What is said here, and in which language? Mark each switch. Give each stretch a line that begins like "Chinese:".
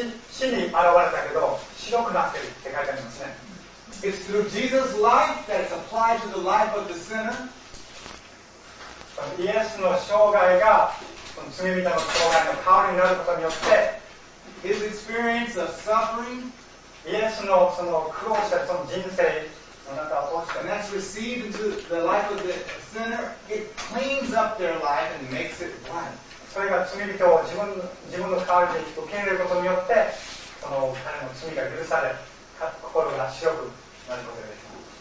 Japanese: 死に現れたけど白くなってるって書いてありますね。
English: It's through Jesus' life that's applied to the life of the sinner.
Japanese: イエスの生涯が罪人の生涯の代わりになることによって、
English: His experience of suffering,
Japanese: イエスのその苦労したその人生の中を通して、
English: and that's received into the life of the sinner, it cleans up their life and makes it white.
Japanese: それが罪人を自分の代わりに受け入れることによって、その彼の罪が許され、心が白くなることができます。